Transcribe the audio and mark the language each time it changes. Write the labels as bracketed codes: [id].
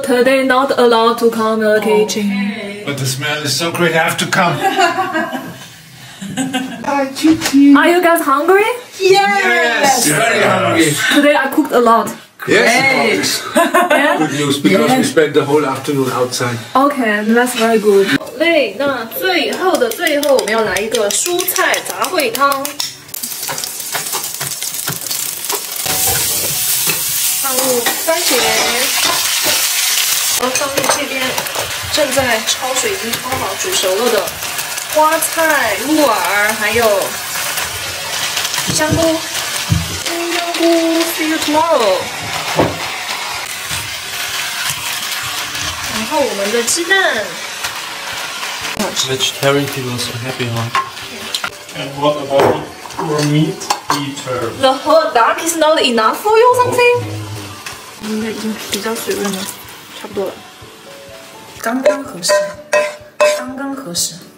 [en] Today not allowed to come to the kitchen. But the smell is so great, I have to come. Are you guys hungry? Yes. Very hungry. Today I cooked a lot. Yes, good news, because we spent the whole afternoon outside. Okay, that's very good. [zh] 对，那最后的最后，我们要来一个蔬菜杂烩汤。放入番茄，放入这边正在焯水已经焯好煮熟了的花菜、木耳，还有香菇。香菇 ， [en] see you tomorrow. [zh] 然后我们的鸡蛋。 [en] Vegetarian people are so happy, huh? And what about your meat eater? The whole duck is not enough for you, something? [zh] 应该已经比较水润了，差不多了，刚刚合适，刚刚合适。